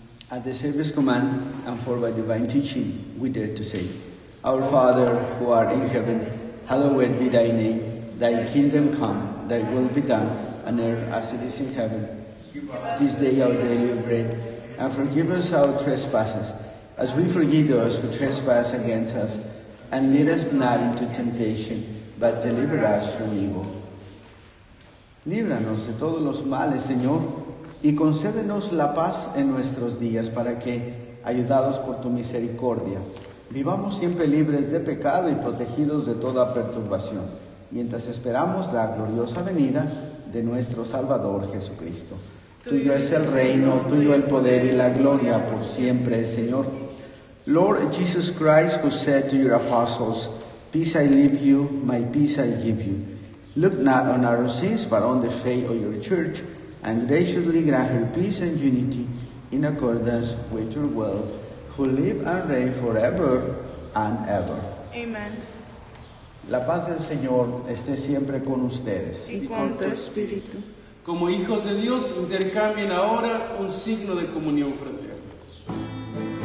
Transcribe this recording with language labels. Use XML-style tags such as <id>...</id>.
<en>At the service command and for by divine teaching, we dare to say, Our Father who art in heaven, hallowed be thy name, thy kingdom come, thy will be done, on earth as it is in heaven. This day our daily bread, and forgive us our trespasses, as we forgive those who trespass against us. And lead us not into temptation, but deliver us from evil.</en> <es>Líbranos de todos los males, Señor, y concédenos la paz en nuestros días, para que, ayudados por tu misericordia, vivamos siempre libres de pecado y protegidos de toda perturbación, mientras esperamos la gloriosa venida de nuestro Salvador Jesucristo. Tuyo es el reino, tuyo el poder y la gloria por siempre, Señor.</es> <en>Lord Jesus Christ, who said to your apostles, Peace I leave you, my peace I give you. Look not on our sins, but on the faith of your church, and graciously grant her peace and unity in accordance with your will. Who live and reign forever and ever. Amen.</en> <es>La paz del Señor esté siempre con ustedes. Y con tu espíritu. Como hijos de Dios, intercambien ahora un signo de comunión fraterna.</es>